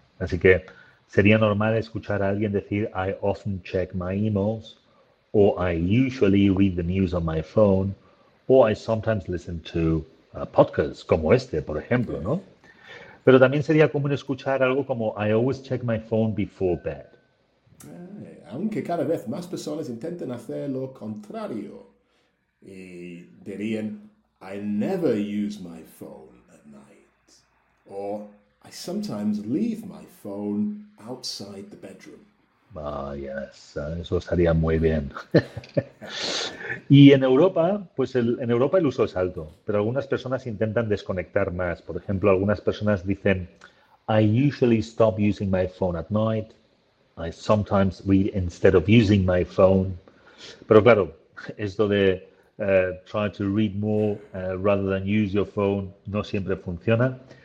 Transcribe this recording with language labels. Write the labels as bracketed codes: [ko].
[es] Así que sería normal escuchar a alguien decir [en] I often check my emails, [es] o [en] I usually read the news on my phone, [es] o [en] I sometimes listen to podcasts, [es] como este, por ejemplo, ¿no? Pero también sería común escuchar algo como [en] I always check my phone before bed. [es] Aunque cada vez más personas intenten hacer lo contrario y dirían, [en] I never use my phone at night. O I sometimes leave my phone outside the bedroom. [es] Vaya, eso estaría muy bien. Y en Europa, pues en Europa el uso es alto, pero algunas personas intentan desconectar más. Por ejemplo, algunas personas dicen, [en] I usually stop using my phone at night. I sometimes read instead of using my phone. [es] Pero claro, esto de [en] try to read more rather than use your phone [es] no siempre funciona.